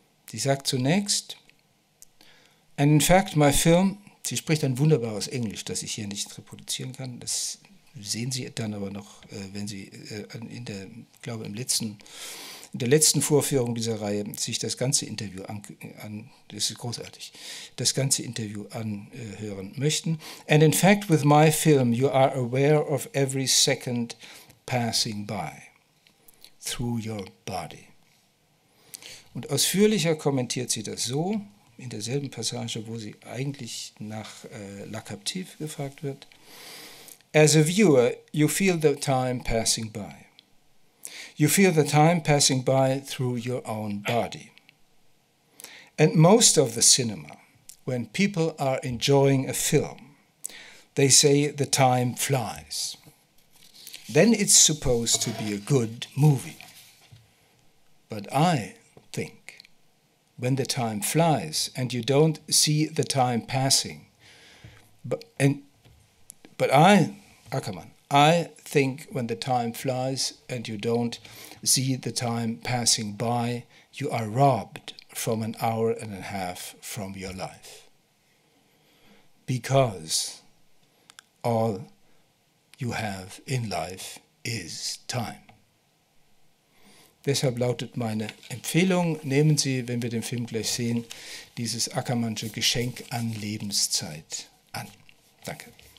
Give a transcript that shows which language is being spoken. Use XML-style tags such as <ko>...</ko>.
<de>Sie sagt zunächst,</de> <en>and in fact my film,</en> <de>sie spricht ein wunderbares Englisch, das ich hier nicht reproduzieren kann, das sehen Sie dann aber noch, wenn Sie in der, glaube ich, in der letzten Vorführung dieser Reihe sich das ganze Interview anhören möchten.</de> <en>And in fact, with my film, you are aware of every second passing by through your body. Und ausführlicher kommentiert sie das so, in derselben Passage, wo sie eigentlich nach La Captive gefragt wird. As a viewer, you feel the time passing by. You feel the time passing by through your own body. And most of the cinema, when people are enjoying a film, they say the time flies. Then it's supposed to be a good movie. But I think when the time flies and you don't see the time passing. But I think when the time flies and you don't see the time passing by, you are robbed from an hour and a half from your life. Because all you have in life is time.</en> <de>Deshalb lautet meine Empfehlung, nehmen Sie, wenn wir den Film gleich sehen, dieses Ackermannsche Geschenk an Lebenszeit an. Danke.</de>